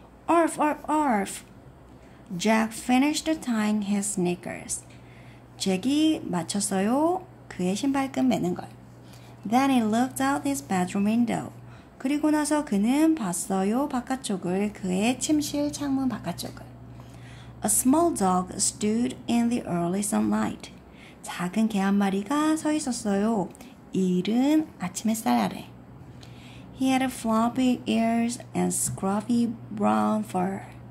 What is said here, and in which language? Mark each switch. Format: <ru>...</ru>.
<en>Arf, arf, arf. Jack finished tying his sneakers.</en> <ko>잭이 마쳤어요. 그의 신발끈 매는 걸.</ko> <en>Then he looked out his bedroom window.</en> <ko>그리고 나서 그는 봤어요. 바깥쪽을. 그의 침실 창문 바깥쪽을.</ko> <en>A small dog stood in the early sunlight.</en> <ko>작은 개 한 마리가 서 있었어요. 이른 아침 햇살 아래.</ko> <en>He had floppy ears and scruffy brown fur.</en>